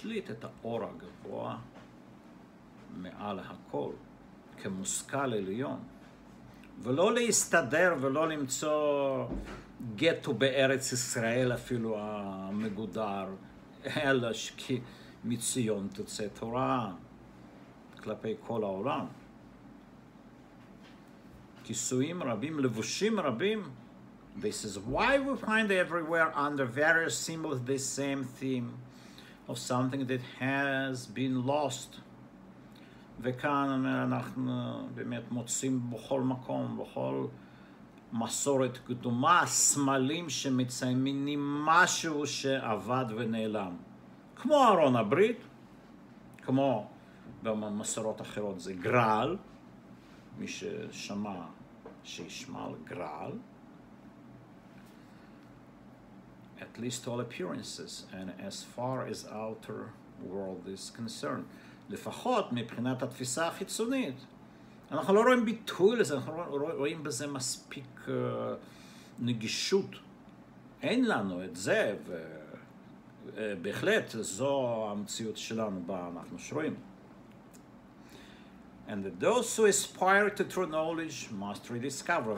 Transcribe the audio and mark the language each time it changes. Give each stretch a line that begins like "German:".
Hebrew: את האור הגבוה מעל הכל כמושכל עליון, ולא להסתדר ולא למצוא גטו בארץ ישראל אפילו המגודר, אלא כי מציון תוצא תורה כלפי כל העולם. כיסויים רבים, לבושים רבים
English: This is why we find everywhere under various symbols this same theme of something that has been lost.
Hebrew: וכאן אנחנו באמת מוצאים בכל מקום, בכל מסורת קדומה, סמלים שמציינים משהו שאבד ונעלם. כמו ארון הברית, כמו במסורות אחרות זה גרל, מי ששמע שישמע על גרל.
English: At least all appearances and as far as outer world is concerned.
Hebrew: לפחות מבחינת התפיסה החיצונית. אנחנו לא רואים ביטוי לזה, אנחנו רואים בזה מספיק נגישות. אין לנו את זה, ובהחלט זו המציאות שלנו בה אנחנו שרואים.
English: And that those who aspire to true knowledge must rediscover.